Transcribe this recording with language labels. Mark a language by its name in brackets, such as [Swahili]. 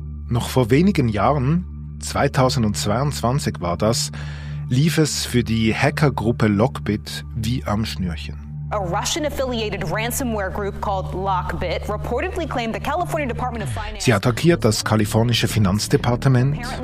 [German] Noch vor wenigen Jahren, 2022 war das, lief es für die Hackergruppe Lockbit wie am Schnürchen. [English] A Russian-affiliated ransomware group called Lockbit reportedly claimed the California Department of Finance. [German] Sie attackiert das kalifornische Finanzdepartement.